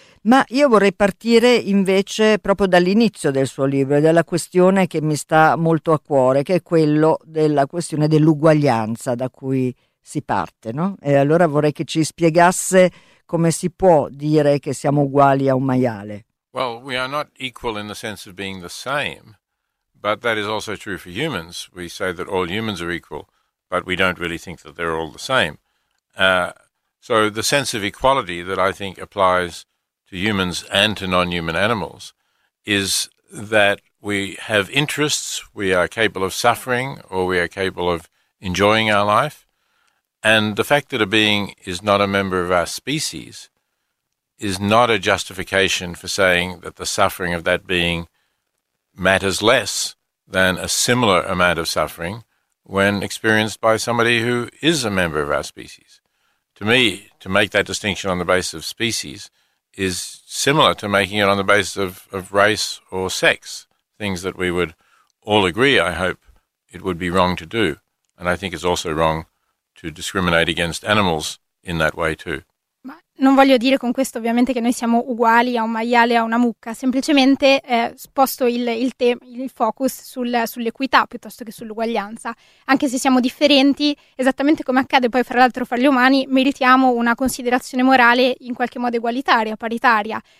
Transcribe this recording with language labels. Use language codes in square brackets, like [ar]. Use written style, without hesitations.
[it] Ma io vorrei partire invece proprio dall'inizio del suo libro e dalla questione che mi sta molto a cuore, che è quello della questione dell'uguaglianza da cui si parte, no? E allora vorrei che ci spiegasse come si può dire che siamo uguali a un maiale. [en] Well, we are not equal in the sense of being the same, but that is also true for humans. We say that all humans are equal, but we don't really think that they're all the same. So the sense of equality that I think applies to humans and to non-human animals is that we have interests, we are capable of suffering, or we are capable of enjoying our life. And the fact that a being is not a member of our species is not a justification for saying that the suffering of that being matters less than a similar amount of suffering when experienced by somebody who is a member of our species. To me, to make that distinction on the basis of species is similar to making it on the basis of race or sex, things that we would all agree, I hope, it would be wrong to do. And I think it's also wrong to discriminate against animals in that way too. [it] Ma non voglio dire con questo ovviamente che noi siamo uguali a un maiale e a una mucca, semplicemente sposto il focus sull'equità piuttosto che sull'uguaglianza. Anche se siamo differenti, esattamente come accade poi fra l'altro fra gli umani, meritiamo una considerazione morale in qualche modo egualitaria, paritaria.